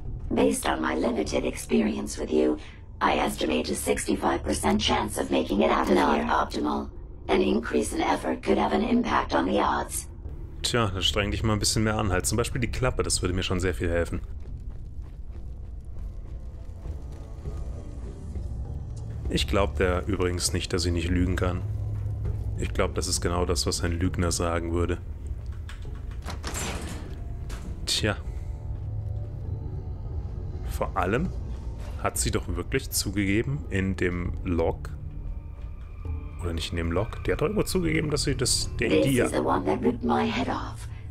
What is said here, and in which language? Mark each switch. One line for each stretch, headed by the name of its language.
English: Based on my limited experience with you, I estimate a 65% chance of making it out of here. Not optimal. An increase in effort could have an impact on the odds.
German: Tja, dann streng dich mal ein bisschen mehr an. Halt zum Beispiel die Klappe, das würde mir schon sehr viel helfen. Ich glaube der übrigens nicht, dass ich nicht lügen kann. Ich glaube, das ist genau das, was ein Lügner sagen würde. Tja. Vor allem hat sie doch wirklich zugegeben in dem Log. Oder nicht in dem Log. Die hat doch immer zugegeben, dass sie das... Den
English: This is the one that ripped my head off.